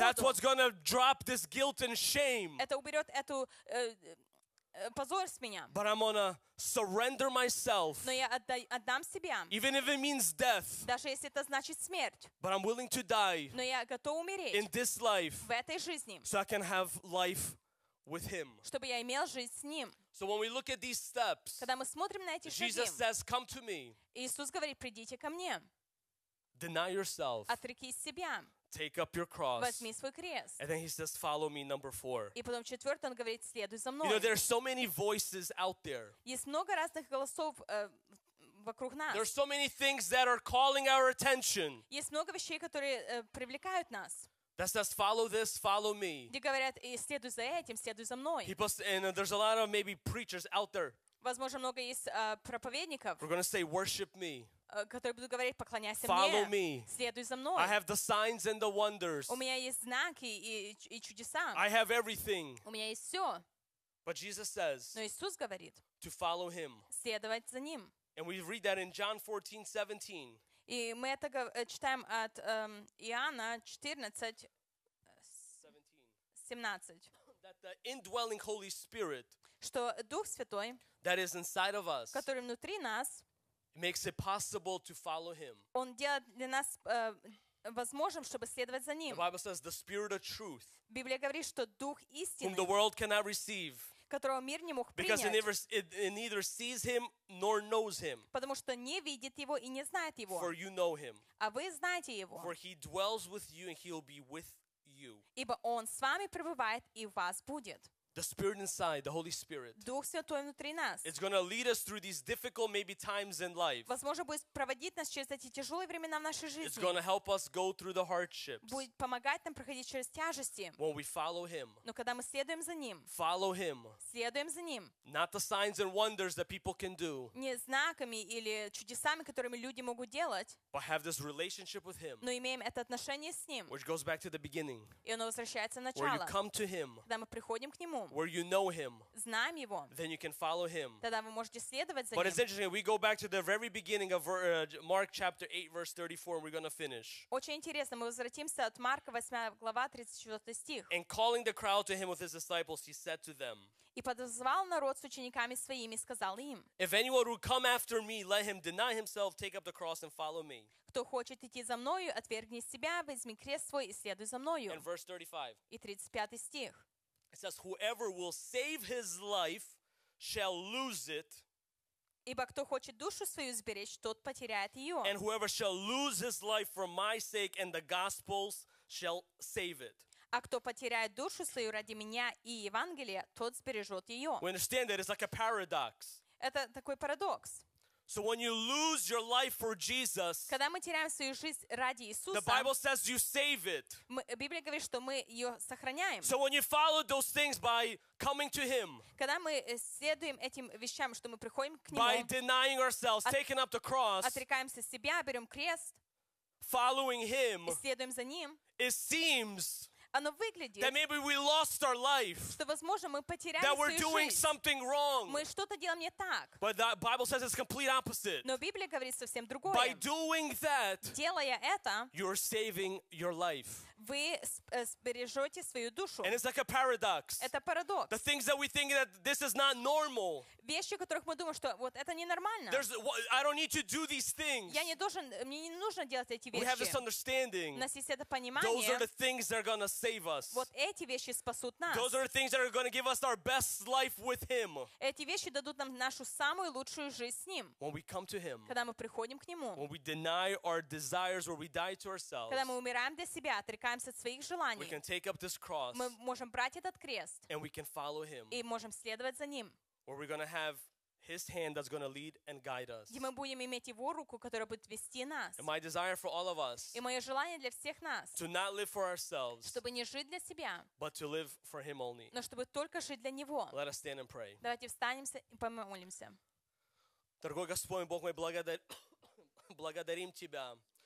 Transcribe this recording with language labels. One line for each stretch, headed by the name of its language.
English: That's what's going to drop this guilt and shame.
Russian: Это уберет эту позор с меня.
English: But I'm gonna surrender myself.
Russian: Но я отдам себя.
English: Even if it means death.
Russian: Даже если это значит смерть.
English: But I'm willing to die.
Russian: Но я готов умереть.
English: In this life.
Russian: В этой жизни.
English: So I can have life with Him.
Russian: Чтобы я имел жизнь с Ним.
English: So when we look at these steps.
Russian: Когда мы смотрим на эти шаги.
English: Jesus says, "Come to me."
Russian: Иисус говорит: "Придите ко мне."
English: Deny yourself.
Russian: Отрекись себя.
English: Take up your cross.
Russian: Возьми свой крест.
English: And then he says, follow me, number four.
Russian: И потом четвертый он говорит, следуй за мной.
English: You know, there are so many voices out there.
Russian: Есть много разных голосов вокруг нас.
English: There are so many things that are calling our attention.
Russian: Есть много вещей, которые привлекают нас.
English: That says, follow this, follow me.
Russian: Где говорят, следуй за этим, следуй за мной.
English: People, and there's a lot of maybe preachers out there.
Russian: Возможно, много есть проповедников.
English: We're going to say, worship me.
Russian: Которые будут говорить, поклоняйся
English: Follow
Russian: мне,
English: me.
Russian: Следуй за мной.
English: I have the signs and the wonders.
Russian: У меня есть знаки и чудеса.
English: I have everything.
Russian: У меня есть все.
English: But Jesus says,
Russian: Но Иисус говорит,
English: to follow him.
Russian: Следовать за Ним.
English: And we read that in John 14, 17.
Russian: И мы это читаем от Иоанна 14:17.
English: That the indwelling Holy Spirit,
Russian: что Дух Святой,
English: that is inside of us,
Russian: который внутри нас,
English: makes it possible to follow him.
Russian: Он делает для нас возможным, чтобы следовать за ним.
English: The Bible says the Spirit of truth.
Russian: Библия говорит, что Дух истины.
English: Whom the world cannot receive.
Russian: Которого мир не мог принять.
English: Because it neither sees him nor knows him.
Russian: Потому что не видит его и не знает его.
English: For you know him.
Russian: А вы знаете его.
English: For he dwells with you and he'll be with you.
Russian: Ибо он с вами пребывает и вас будет.
English: The Spirit inside, the Holy Spirit.
Russian: Дух Святой внутри нас.
English: It's going to lead us through these difficult maybe times in life.
Russian: Возможно, будет проводить нас через эти тяжёлые времена в нашей жизни.
English: It's going to help us go through the hardships.
Russian: Будет помогать нам проходить через тяжести.
English: When we follow him.
Russian: Но когда мы следуем за ним.
English: Follow him.
Russian: Следуем за ним.
English: Not the signs and wonders that people can do.
Russian: Не знаками или чудесами, которыми люди могут делать.
English: But have this relationship with him.
Russian: Но имеем это отношение с ним.
English: Which goes back to the beginning.
Russian: И оно возвращается в начало.
English: Where you come to him.
Russian: Когда мы приходим к нему.
English: Where you know him,
Russian: знаем его,
English: then you can follow him.
Russian: Тогда вы можете следовать за
English: But
Russian: ним.
English: It's interesting, we go back to the very beginning of Mark chapter 8, verse 34, and we're going to finish.
Russian: Очень интересно, мы возвратимся от Марка 8, глава 34 стих.
English: And calling the crowd to him with his disciples, he said to them,
Russian: И подозвал народ с учениками своими и сказал им,
English: If anyone would come after me, let him deny himself, take up the cross and follow me.
Russian: Кто хочет идти за мною, отвергни себя, возьми крест свой и следуй за мною.
English: And verse 35.
Russian: И 35 стих.
English: It says, whoever will save his life shall lose it.
Russian: Ибо кто хочет душу свою сберечь, тот потеряет ее.
English: And whoever shall lose his life for my sake and the gospel's shall save it.
Russian: А кто потеряет душу свою ради меня и Евангелия, тот сбережет ее.
English: We understand that it's like a paradox.
Russian: Это такой парадокс.
English: So when you lose your life for Jesus,
Russian: когда мы теряем свою жизнь ради Иисуса,
English: the Bible says you save it.
Russian: Библия говорит, что мы ее сохраняем.
English: So when you follow those things by coming to Him,
Russian: когда мы следуем этим вещам, что мы приходим к Нему,
English: by denying ourselves, taking up the cross,
Russian: отрекаемся себя, берем крест,
English: following Him,
Russian: и следуем за Ним,
English: it seems.
Russian: Оно выглядит,
English: that maybe we lost our life.
Russian: Что, возможно, мы потеряли свою жизнь.
English: That we're doing something wrong.
Russian: Мы что-то делаем не так.
English: But the Bible says it's complete opposite.
Russian: Но Библия говорит совсем другое.
English: By doing that,
Russian: делая это,
English: you're saving your life.
Russian: Вы сбережете свою душу.
English: And it's like a paradox.
Russian: Это парадокс.
English: The things that we think that this is not normal.
Russian: Вещи, о которых мы думаем, что вот это ненормально.
English: There's, I don't need to do these things.
Russian: Я не должен, мне не нужно делать эти вещи.
English: We have this understanding.
Russian: У нас есть это понимание.
English: Those are the things that are gonna save us.
Russian: Вот эти вещи спасут нас.
English: Those are the things that are gonna give us our best life with Him.
Russian: Эти вещи дадут нам нашу самую лучшую жизнь с Ним.
English: When we come to Him.
Russian: Когда мы приходим к Нему.
English: When we deny our desires or we die to ourselves.
Russian: Когда мы умираем для себя, отрекаемся от своих желаний.
English: We can take up this cross,
Russian: мы можем брать этот крест
English: and we can follow him,
Russian: и можем следовать за ним.
English: Where we're gonna have his hand that's gonna lead and guide us.
Russian: И мы будем иметь его руку, которая будет вести нас.
English: And my desire for all of us,
Russian: и мое желание для всех нас,
English: to not live for ourselves,
Russian: чтобы не жить для себя,
English: but to live for him only.
Russian: Но чтобы только жить для него.
English: Let us stand and pray.
Russian: Давайте встанем и помолимся. Дорогой Господь, Бог мой, благодарим Тебя.